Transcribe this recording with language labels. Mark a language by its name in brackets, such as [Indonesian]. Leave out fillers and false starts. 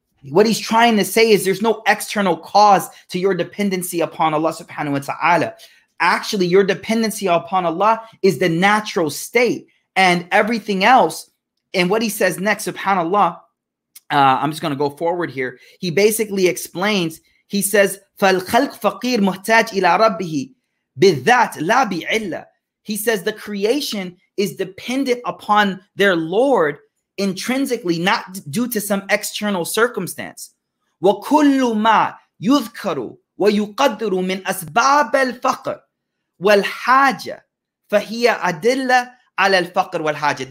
[English] What he's trying to say is there's no external cause to your dependency upon Allah subhanahu wa ta'ala. Actually, your dependency upon Allah is the natural state and everything else. And what he says next, subhanAllah, I'm just going to go forward here. He basically explains, he says, [Arabic] فَالْخَلْقُ فَقِيرٌ مُحْتَاجٌ إِلَىٰ رَبِّهِ بِذَّاتْ لَا بِعِلَّةٍ. [English] He says the creation is dependent upon their Lord intrinsically, not due to some external circumstance. [Arabic] وَكُلُّ مَا يُذْكَرُ وَيُقَدِّرُ مِنْ أَسْبَابَ الْفَقْرِ وَالْحَاجَةِ فَهِيَ أَدِلَّةٌ عَلَى الْفَقْرِ وَالْحَاجَةِ.